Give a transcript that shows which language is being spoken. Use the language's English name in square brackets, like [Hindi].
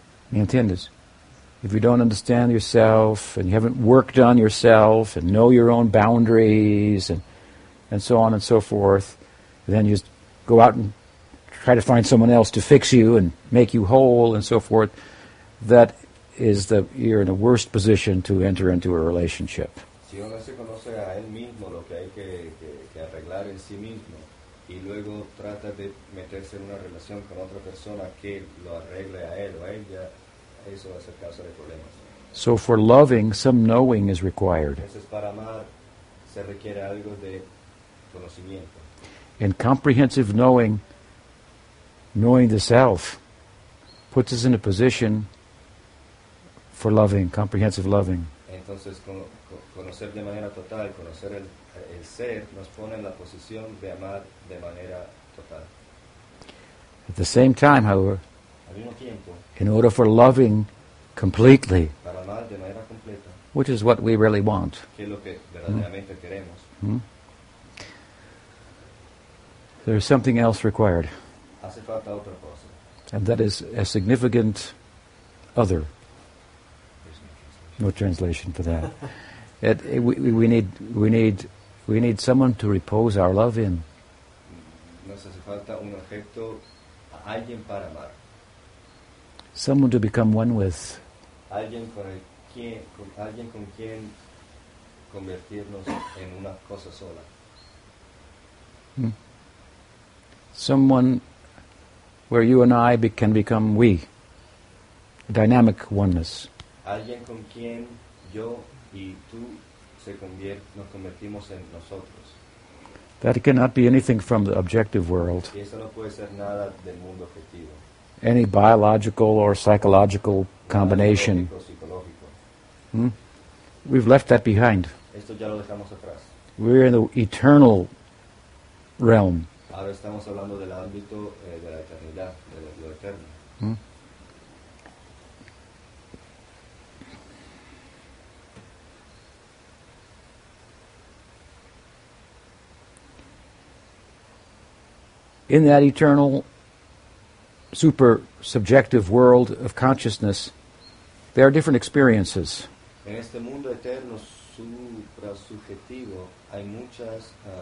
[Spanish] ¿Me entiendes? [English] If you don't understand yourself, and you haven't worked on yourself, and know your own boundaries, and so on and so forth, then you just go out and try to find someone else to fix you and make you whole and so forth. That is you're in a worst position to enter into a relationship. [Spanish] Si uno se conoce a él mismo lo que hay que arreglar en sí mismo, y luego trata de meterse en una relación con otra persona que lo arregle a él o a ella, eso va a ser causa de problemas. [English] So for loving, some knowing is required. [Spanish] Entonces para amar se requiere algo de conocimiento. [English] And comprehensive knowing, knowing the self, puts us in a position for loving, comprehensive loving. [Spanish] Entonces, conocer de manera total, conocer el ser, nos pone en la posición de amar de manera total. [English] At the same time, however, [Spanish] al mismo tiempo, [English] in order for loving completely, [Spanish] para amar de manera completa, [English] which is what we really want, [Spanish] que es lo que verdaderamente queremos, [English] there is something else required. [Spanish] Hace falta otra cosa. [English] And that is a significant other. No translation for that. we need someone to repose our love in. [Spanish] Nos hace falta un objeto, alguien para amar. [English] Someone to become one with. [Spanish] Alguien con quien convertirnos en una cosa sola. [English] Someone where you and I can become we. A dynamic oneness. [Spanish] Alguien con quien yo y tú nos convertimos en nosotros. [English] That cannot be anything from the objective world. [Spanish] Y eso no puede ser nada del mundo objetivo. [English] Any biological or psychological combination. [Spanish] Nada psicológico. [English] We've left that behind. [Spanish] Esto ya lo dejamos atrás. [English] We're in the eternal realm. [Spanish] Ahora estamos hablando del ámbito de la eternidad, de lo eterno. [English] In that eternal, super subjective world of consciousness, there are different experiences. [Spanish] En este mundo eterno, supra subjetivo, hay muchas